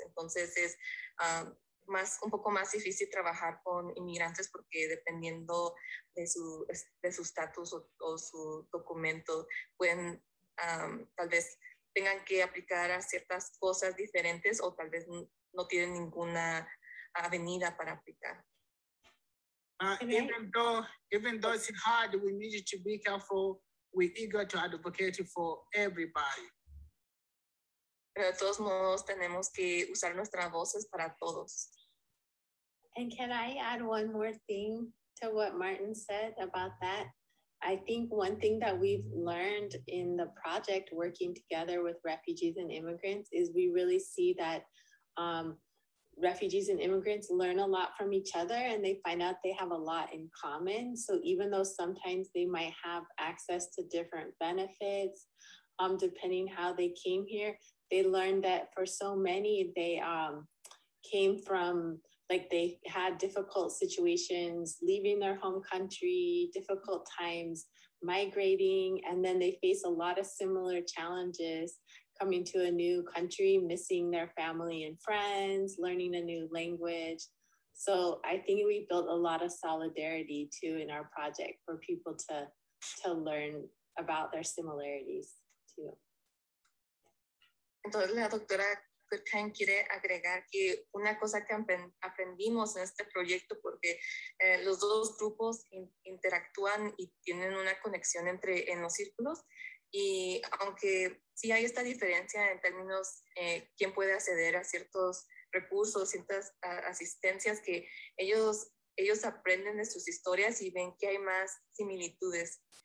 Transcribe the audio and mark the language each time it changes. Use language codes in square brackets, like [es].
[es] Entonces, es un poco más difícil trabajar con inmigrantes porque dependiendo de su estatus o su documento, pueden tal vez tengan que aplicar a ciertas cosas diferentes o tal vez no tienen ninguna avenida para aplicar. [en] Even though it's hard, we need to be careful. We're eager to advocate for everybody. [es] Pero de todos modos, tenemos que usar nuestras voces para todos. [en] And can I add one more thing to what Martin said about that? I think one thing that we've learned in the project working together with refugees and immigrants is we really see that refugees and immigrants learn a lot from each other and they find out they have a lot in common. So even though sometimes they might have access to different benefits, depending how they came here, they learned that for so many, they came from, like they had difficult situations leaving their home country, difficult times migrating, and then they face a lot of similar challenges coming to a new country, missing their family and friends, learning a new language. So I think we built a lot of solidarity too in our project for people to learn about their similarities too. [es] Entonces la doctora Kirkheim quiere agregar que una cosa que aprendimos en este proyecto, porque los dos grupos interactúan y tienen una conexión en los círculos, y aunque sí hay esta diferencia en términos quién puede acceder a ciertos recursos, ciertas asistencias, que ellos aprenden de sus historias y ven que hay más similitudes.